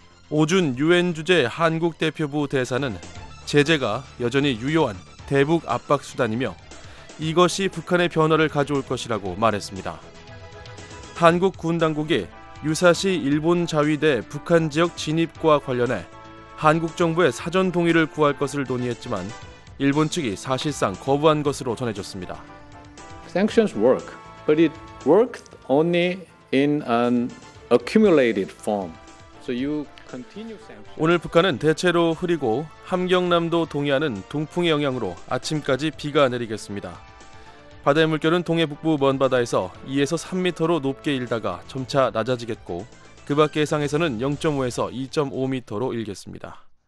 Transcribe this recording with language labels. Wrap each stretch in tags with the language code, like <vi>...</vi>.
<ko>오준 유엔 주재 한국 대표부 대사는 제재가 여전히 유효한 대북 압박 수단이며 이것이 북한의 변화를 가져올 것이라고 말했습니다. 한국 군 당국이 유사시 일본 자위대 북한 지역 진입과 관련해 한국 정부의 사전 동의를 구할 것을 논의했지만 일본 측이 사실상 거부한 것으로 전해졌습니다.</ko> <en>Sanctions work, but it works only in an accumulated form. So you continue sanctions.</en> <ko>오늘 북한은 대체로 흐리고 함경남도 동해안은 동풍의 영향으로 아침까지 비가 내리겠습니다. 바다의 물결은 동해 북부 먼 바다에서 2에서 3m로 높게 일다가 점차 낮아지겠고 그 밖의 해상에서는 0.5에서 2.5m로 일겠습니다.</ko>